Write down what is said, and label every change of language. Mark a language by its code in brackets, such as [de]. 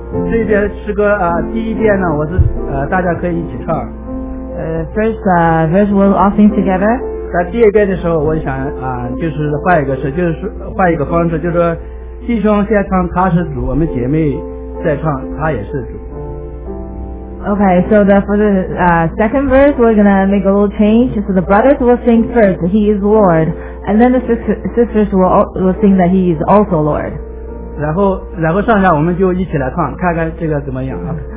[zh] 这一遍诗歌第一遍呢我是大家可以一起唱 [en] First verse we'll all sing together [zh] 在第二遍的时候我想就是换一个事，就是换一个方式，就是说弟兄先唱他是主，我们姐妹再唱他也是主。 [en] OK, so the, for the、second verse we're going to make a little change. So the brothers will sing first, he is Lord, and then the sisters will sing that he is also Lord. [zh] 然后上下我们就一起来唱，看看这个怎么样啊。